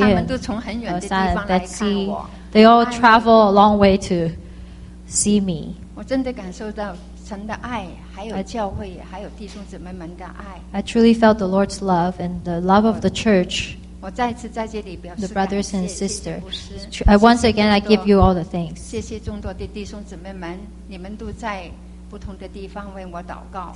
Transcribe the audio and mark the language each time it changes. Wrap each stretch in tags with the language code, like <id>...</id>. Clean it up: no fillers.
<zh>他们都从很远的地方来看我。</zh> <en>They all travel a long way to see me.</en> <zh>我真的感受到神的爱，还有教会，还有弟兄姊妹们的爱。</zh> <en>I truly felt the Lord's love and the love of the church.</en> <zh>我再一次在这里表示</zh> <en>the brothers and sister.</en> <zh>谢谢牧师。</zh> <en>Once again, I give you all the thanks.</en> <zh>谢谢众多的弟兄姊妹们，你们都在不同的地方为我祷告。</zh>